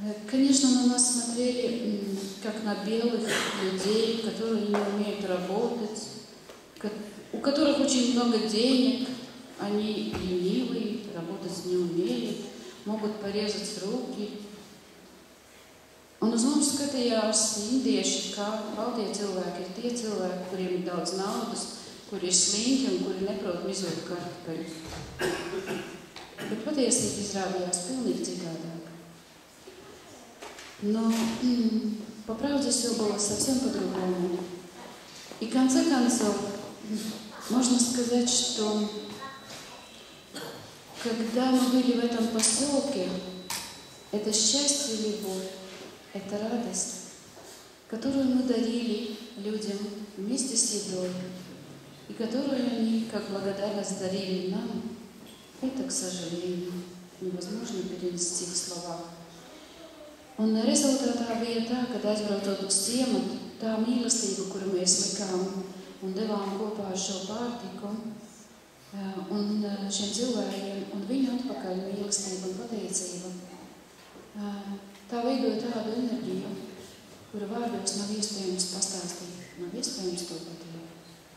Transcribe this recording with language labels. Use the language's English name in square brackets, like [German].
[Russian] Конечно, на нас смотрели как на белых людей, которые не умеют работать, у которых очень много денег, они ленивые, работать не умеют, могут порезать руки. [Latvian] Un uz mums skatījās indieši, kā valdīja cilvēki ir tie cilvēki, kuriem ir daudz naudas, kuri ir slinki un kuri neprot mizot kartupeļus. Bet patiesība izrādījās pilnīgi citādāk. [Russian] Но, по правде, все было совсем по-другому. И, в конце концов, можно сказать, что Когда мы были в этом поселке, это счастье и любовь, это радость, которую мы дарили людям вместе с едой, и которую они, как благодарность, дарили нам, это, к сожалению, невозможно перенести в словах. [Latvian] Un rezultātā bija tā, kad aizbraucot uz ciematu, tā mīlestība, kuru mēs likām un devām kopā ar šo pārtiku, un šiem cilvēkiem un viņu atpakaļ mīlestība un pateicība, tā veidoja tādu enerģiju, kura vārdos nav iespējams pastāstīt, nav iespējams to pateikt.